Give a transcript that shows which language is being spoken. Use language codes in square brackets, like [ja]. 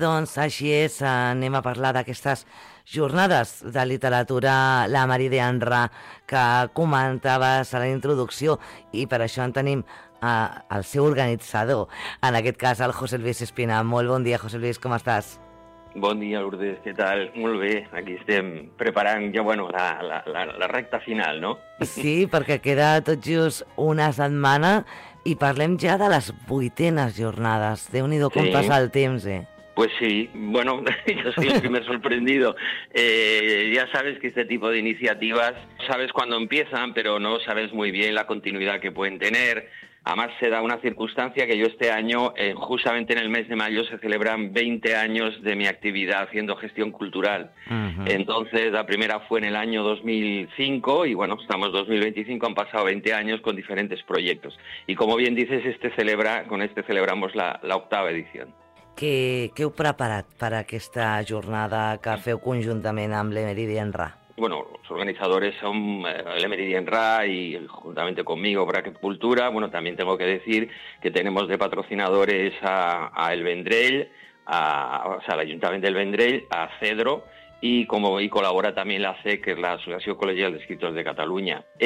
[ca] Doncs així és, anem a parlar d'aquestes jornades de literatura Le Méridien Ra, que comentaves a la introducció, i per això en tenim el seu organitzador, en aquest cas el José Luis Espina. Molt bon dia, José Luis, com estàs? Bon dia, Lourdes, què tal? Molt bé, aquí estem preparant ja, bueno, la recta final, no? Sí, perquè queda tot just una setmana i parlem ja de les 8es jornades. Déu-n'hi-do, com passa el temps, eh? [es] Pues sí, bueno, yo soy el primer sorprendido. Ya sabes que este tipo de iniciativas, sabes cuándo empiezan, pero no sabes muy bien la continuidad que pueden tener. Además, se da una circunstancia que yo este año, justamente en el mes de mayo, se celebran 20 años de mi actividad haciendo gestión cultural. Uh-huh. Entonces, la primera fue en el año 2005 y, bueno, estamos 2025, han pasado 20 años con diferentes proyectos. Y como bien dices, celebramos la 8a edición. [ca] ¿Qué heu preparat per aquesta jornada que feu conjuntament amb Le Méridien Ra? [es] Bueno, los organizadores son Le Méridien Ra y juntamente conmigo Bracket Cultura. Bueno, también tengo que decir que tenemos de patrocinadores a El Vendrell, al Ayuntamiento del Vendrell, a Cedro y colabora también la CEC, que es la Asociación Colegial de Escritores de Cataluña.